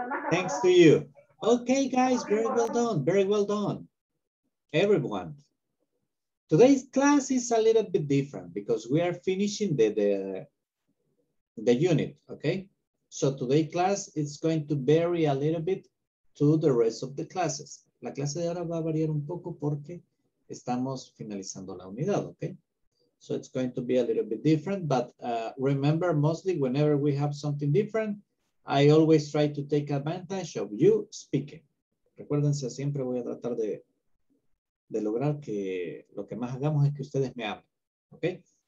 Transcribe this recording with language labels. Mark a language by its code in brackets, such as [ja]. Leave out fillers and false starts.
[en] Thanks to you. Okay, guys, very well done. Very well done, everyone. Today's class is a little bit different because we are finishing the unit, okay? So today's class is going to vary a little bit to the rest of the classes. [es] La clase de ahora va a variar un poco porque estamos finalizando la unidad, okay? [en] So it's going to be a little bit different, but remember, mostly whenever we have something different, I always try to take advantage of you speaking. [es] Recuérdense, siempre voy a tratar de lograr que lo que más hagamos es que ustedes me hablen, okay?